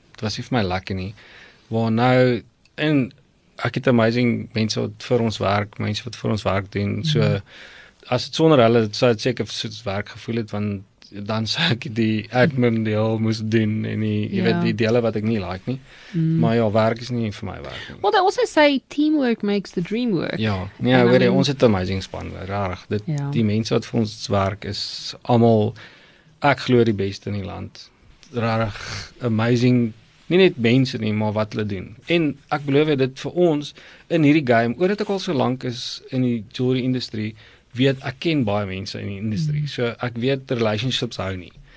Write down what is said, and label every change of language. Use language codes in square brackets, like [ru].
[af] Dit was nie vir my lekker nie. Waar nou, en ek het amazing mense wat vir ons werk, mense wat vir ons werk doen, so as het sonder hulle, sal het seker soos werk gevoel het, want dan sou ek die admin deel moes doen en die, jy weet, die dele wat ek nie like nie. Maar ja, werk is nie vir my werk nie. [en] Well, they also say teamwork makes the dream work. [af] Ja, nee, ja, weet jy, ons het amazing span, rarig. Dit, die mense wat vir ons werk is allemaal, ek glo die beste in die land. Rarig, amazing, nie net mense nie, maar wat hulle doen. En ek beloof dit vir ons in hierdie game, oordat ek al so lank is in die jewelry industrie, weet, ek ken baie mense in die industrie, so ek weet, relationships hou nie.